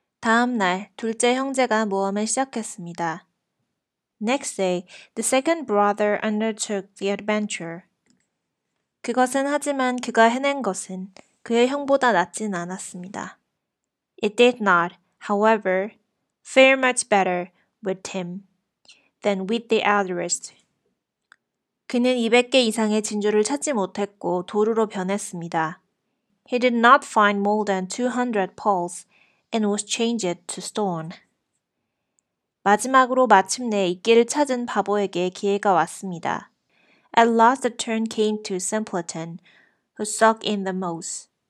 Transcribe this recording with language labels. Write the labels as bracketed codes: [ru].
[ko] 다음 날, 둘째 형제가 모험을 시작했습니다. [en] Next day, the second brother undertook the adventure. [ko] 그것은 하지만 그가 해낸 것은 그의 형보다 낫진 않았습니다. [en] It did not, however, fare much better with him than with the others. [ko] 그는 200개 이상의 진주를 찾지 못했고 돌으로 변했습니다. [en] He did not find more than 200 pearls and was changed to stone. [ko] 마지막으로 마침내 이끼를 찾은 바보에게 기회가 왔습니다. [en] At last the turn came to Simpleton, who sucked in the most.